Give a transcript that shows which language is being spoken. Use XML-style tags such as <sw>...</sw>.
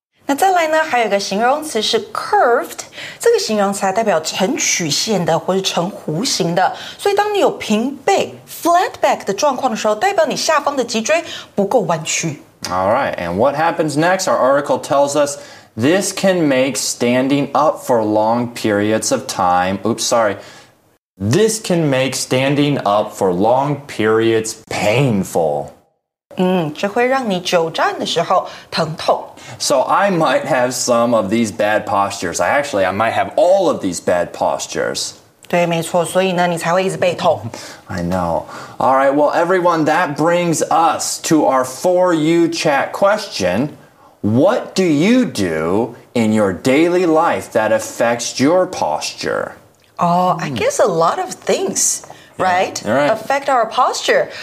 <zh>那再来呢还有一个形容词是 curved 这个形容词代表成曲线的或是成弧形的所以当你有平背 flat back 的状况的时候代表你下方的脊椎不够弯曲</zh> <en>Alright, and what happens next? Our article tells us this can make standing up for long periods of time Oops, sorry This can make standing up for long periods painful</en> <zh>这会让你久站的时候疼痛</zh> <en>So I might have some of these bad postures. I might have all of these bad postures.</en> <zh>对，没错，所以呢，你才会一直背痛。</zh> <en>I know. All right, well, everyone, that brings us to our For You chat question. What do you do in your daily life that affects your posture? Oh, I guess a lot of things, right? Yeah. All right. Affect our posture.</en>